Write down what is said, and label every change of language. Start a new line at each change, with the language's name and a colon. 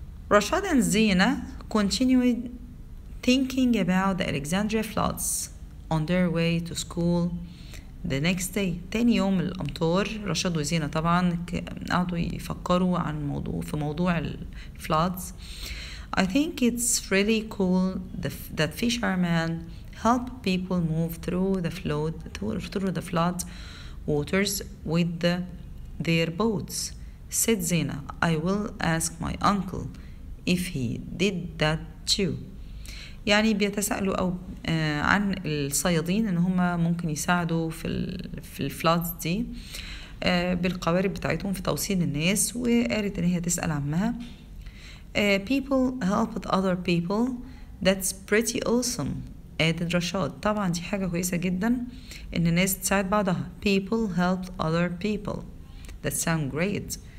English: Rashad and Zina continued thinking about the Alexandria floods on their way to school the next day.
Arabic: تاني يوم الأمطار رشاد وزينة طبعا قعدوا يفكروا عن موضوع في موضوع الفلودز.
English: I think it's really cool that fishermen help people move through the flood through the flood waters with their boats, said Zina. I will ask my uncle if he did that too.
Arabic: يعني بيتسألوا أو عن الصيادين إن هما ممكن يساعدوا في الفلات دي بالقوارب بتاعتهم في توصيل الناس. وقالت إن هي تسأل عمها.
English: People helped other people, that's pretty awesome, added Rashad.
Arabic: طبعا دي حاجة كويسة جدا إن الناس تساعد بعضها.
English: People helped other people, that sound great.